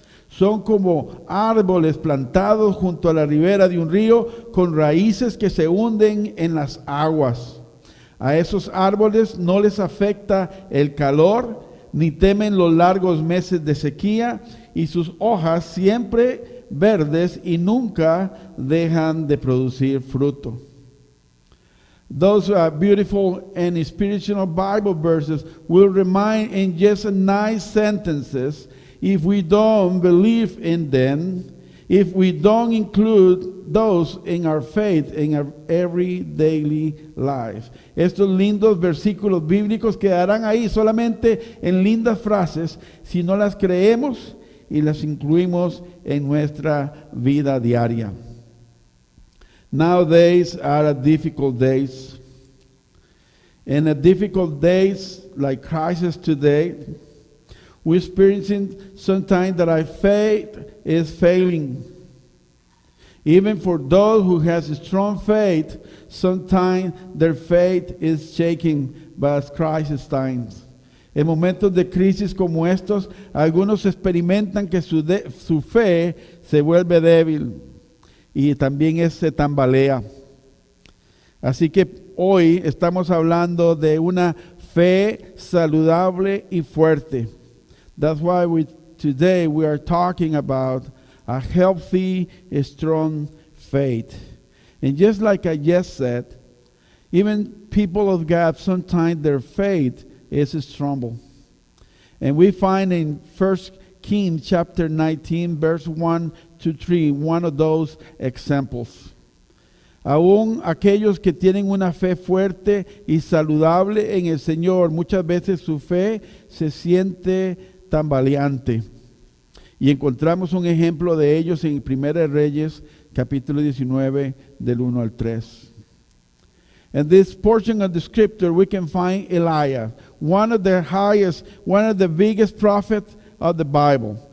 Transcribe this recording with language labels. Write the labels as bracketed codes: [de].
[es] Son como árboles plantados junto a la ribera de un río con raíces que se hunden en las aguas. A esos árboles no les afecta el calor, ni temen los largos meses de sequía, y sus hojas siempre verdes y nunca dejan de producir fruto. [en] Those beautiful and inspirational Bible verses will remind in just nine sentences if we don't believe in them, if we don't include those in our faith, in our every daily life. [es] Estos lindos versículos bíblicos quedarán ahí solamente en lindas frases si no las creemos y las incluimos en nuestra vida diaria. [en] Nowadays are difficult days. In a difficult days like crisis today, we're experiencing sometimes that our faith is failing. Even for those who have strong faith, sometimes their faith is shaking by crisis times. [es] En momentos de crisis como estos, algunos experimentan que su fe se vuelve débil y también se tambalea. Así que hoy estamos hablando de una fe saludable y fuerte. [en] That's why today we are talking about a healthy, strong faith. And just like I just said, even people of God, sometimes their faith is strong. And we find in 1 Kings chapter 19, verse 1 to 3, one of those examples. [es] Aún aquellos que tienen una fe fuerte y saludable en el Señor, muchas veces su fe se siente tambaleante. Y encontramos un ejemplo de ellos en 1 Reyes, capítulo 19, del 1 al 3. [en] In this portion of the scripture, we can find Elijah, one of the biggest prophets of the Bible.